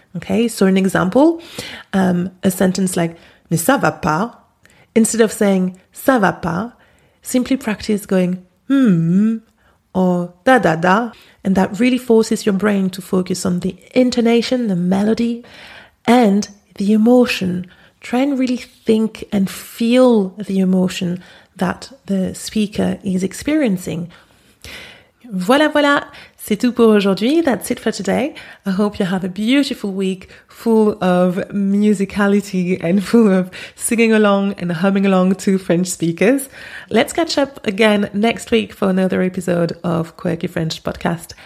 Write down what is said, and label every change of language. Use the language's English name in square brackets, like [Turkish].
[English] Okay, so an example, a sentence like, [French] mais ça va pas, [English] instead of saying, [French] ça va pas, [English] simply practice going hmm or da da da, and that really forces your brain to focus on the intonation, the melody, and the emotion. Try and really think and feel the emotion that the speaker is experiencing. [French] Voilà, voilà, c'est tout pour aujourd'hui. [English] That's it for today. I hope you have a beautiful week full of musicality and full of singing along and humming along to French speakers. Let's catch up again next week for another episode of Quirky French Podcast.